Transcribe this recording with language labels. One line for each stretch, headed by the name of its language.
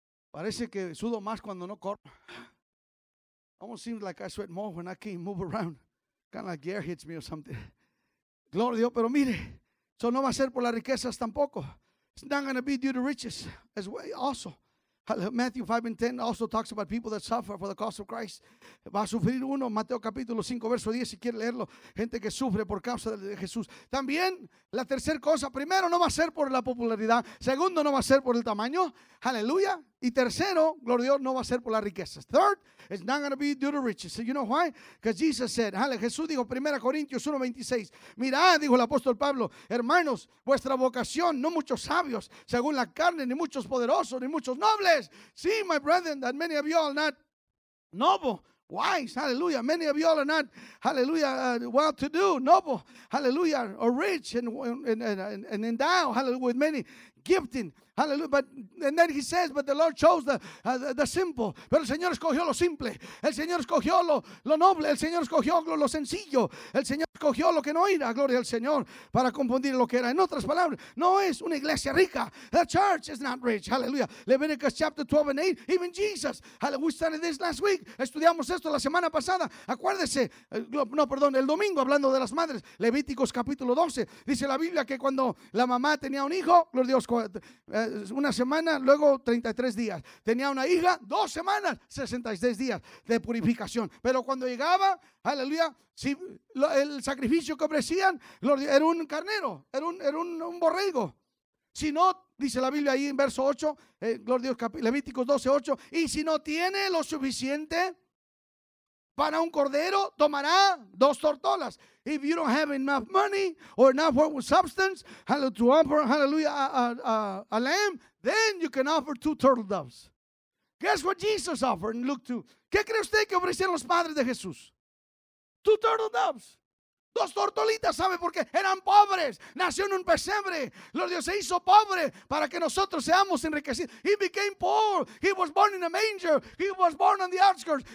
Spanish: Parece que sudo más cuando no corro.
English: Almost seems like I sweat more when I can't move around. Kind of like air hits me or something.
Spanish: Gloria a Dios, pero mire, eso no va a ser por las riquezas tampoco.
English: It's not going to be due to riches as well. Also, Matthew 5 and 10 also talks about people that suffer for the cause of Christ.
Spanish: Va a sufrir uno, Mateo capítulo 5, verso 10, si quiere leerlo. Gente que sufre por causa de Jesús. También, la tercera cosa, primero no va a ser por la popularidad. Segundo, no va a ser por el tamaño. Aleluya. Y tercero, gloria a Dios, no va a ser por las riquezas.
English: Third, it's not going to be due to riches. So you know why? Because Jesus said, hallelujah.
Spanish: Jesús dijo, 1 Corintios 1:26. Mirad, dijo el apóstol Pablo, hermanos, vuestra vocación, no muchos sabios, según la carne, ni muchos poderosos, ni muchos nobles.
English: See, my brethren, that many of you are not noble. Wise, hallelujah. Many of you all are not, hallelujah, well to do, noble, hallelujah, or rich and endowed, hallelujah, with many gifting, hallelujah. But and then he says, but the Lord chose the simple.
Spanish: Pero el Señor escogió lo simple. El Señor escogió lo noble. El Señor escogió lo sencillo. El Señor escogió lo que no era, gloria al Señor, para confundir lo que era. En otras palabras, no es una iglesia rica.
English: The church is not rich, hallelujah. Leviticus chapter 12 and 8, even Jesus, hallelujah. We started this last week.
Spanish: Estudiamos esto la semana pasada. Acuérdese, no, perdón, el domingo, hablando de las madres. Leviticus capítulo 12, dice la Biblia que cuando la mamá tenía un hijo, gloria a Dios, una semana, luego 33 días. Tenía una hija, dos semanas, 66 días de purificación. Pero cuando llegaba, aleluya, si el sacrificio que ofrecían era un carnero, era un borrego. Si no, dice la Biblia ahí en verso 8, gloria a Dios, Levíticos 12, 8, y si no tiene lo suficiente para un cordero, tomará dos tortolas.
English: If you don't have enough money or enough substance to offer, hallelujah, a lamb, then you can offer two turtle doves. Guess what Jesus offered in Luke 2.
Spanish: ¿Qué cree usted que ofrecieron los padres de Jesús?
English: Two turtle doves.
Spanish: Dos tortolitas, ¿sabe por qué? Eran pobres. Nació en un pesebre. Lord Dios se hizo pobre para que nosotros seamos enriquecidos.
English: He became poor. He was born in a manger. He was born on the outskirts.